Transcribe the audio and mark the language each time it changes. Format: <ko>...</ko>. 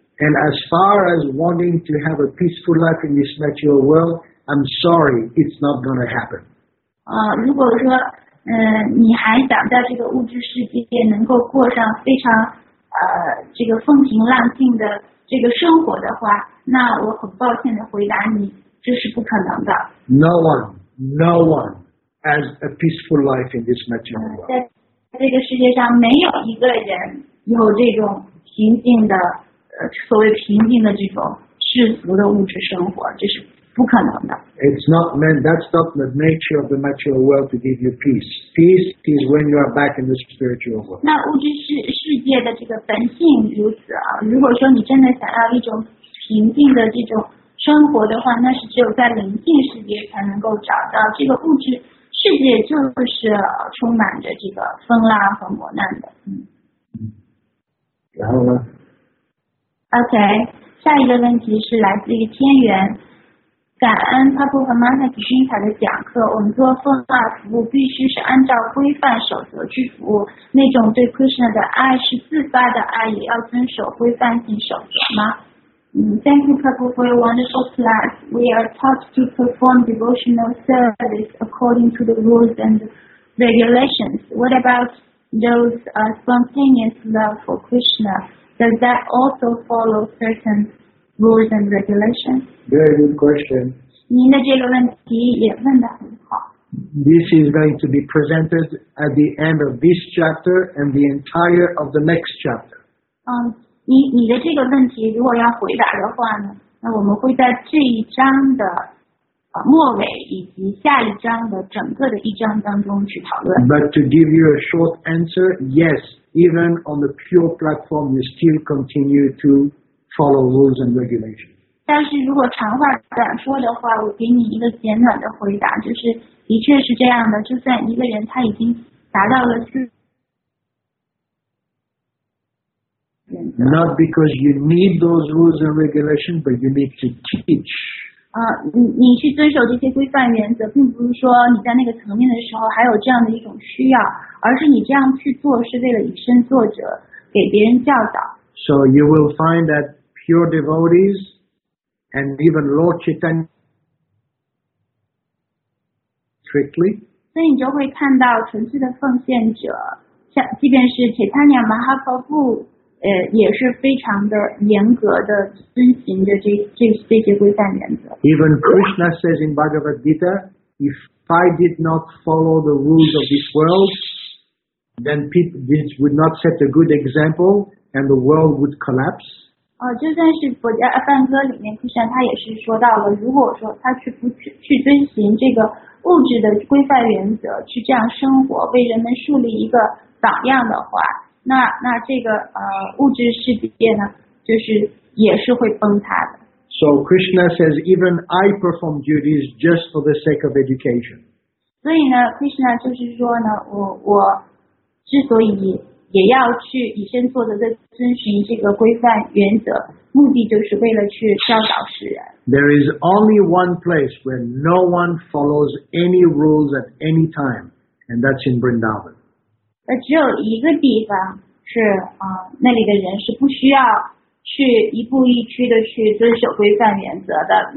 <en>And as far as wanting to have a peaceful life in this material world, I'm sorry, it's not going to happen.</en> <zh>如果说你还想在这个物质世界能够过上非常这个风平浪静的这个生活的话，那我很抱歉的回答你，这是不可能的。</zh> <en>No one has a peaceful life in this material world.</en> <zh>在这个世界上没有一个人有这种平静的所谓平静的这种世俗的物质生活，这是不可能的。</zh> <en>It's not meant, that's not the nature of the material world to give you peace. Peace is when you are back in the spiritual world.</en> <zh>那物质世界的这个本性如此啊，如果说你真的想要一种平静的这种生活的话，那是只有在灵性世界才能够找到。这个物质世界就是充满着这个风浪和磨难的。然后呢？ OK， 下一个问题是来自于天元，感恩帕布和玛塔吉精彩的讲课。我们做奉化服务必须是按照规范守则去服务，那种对 Krishna 的爱是自发的爱，也要遵守规范性守则吗？</zh> <en>Thank you, Prabhu, for your wonderful class. We are taught to perform devotional service according to the rules and regulations. What about those spontaneous love for Krishna? Does that also follow certain rules and regulations? Very good question.</en> <zh>您的这个问题也问得很好。</zh> <en>This is going to be presented at the end of this chapter and the entire of the next chapter.</en> <zh>你的这个问题如果要回答的话呢，那我们会在这一章的末尾以及下一章的整个的一章当中去讨论。</zh> <en>But to give you a short answer, yes. Even on the pure platform, you still continue to follow rules and regulations.</en> <zh>但是如果长话短说的话，我给你一个简短的回答，就是的确是这样的。就算一个人他已经达到了是</zh> <en>，not because you need those rules and regulations, but you need to teach.</en> <zh>你去遵守这些规范原则，并不是说你在那个层面的时候还有这样的一种需要。而是你这样去做是为了以身作则，给别人教导。</zh> <en>So you will find that pure devotees and even Lord Chaitanya strictly.</en> <zh>所以你就会看到纯粹的奉献者，像即便是 Chaitanya Mahaprabhu， 也是非常的严格的遵循着这些规范原则。</zh> <en>Even Krishna says in Bhagavad Gita, if I did not follow the rules of this world. Then people, this would not set a good example, and the world would collapse.</en> <zh>就算是佛家梵歌里面，其实他也是说到了，如果说他去遵循这个物质的规范原则，去这样生活，为人们树立一个榜样的话，那这个物质世界呢，就是也是会崩塌的。</zh> <en>So Krishna says, even I perform duties just for the sake of education.</en> <zh>所以呢 ，Krishna 就是说呢，我。之所以也要去以身作则的遵循这个规范原则，目的就是为了去教导世人。</zh> <en>There is only one place where no one follows any rules at any time, and that's in Vrindavan.</en> <zh>只有一个地方是那里的人是不需要去一步一趋的去遵守规范原则的。</zh>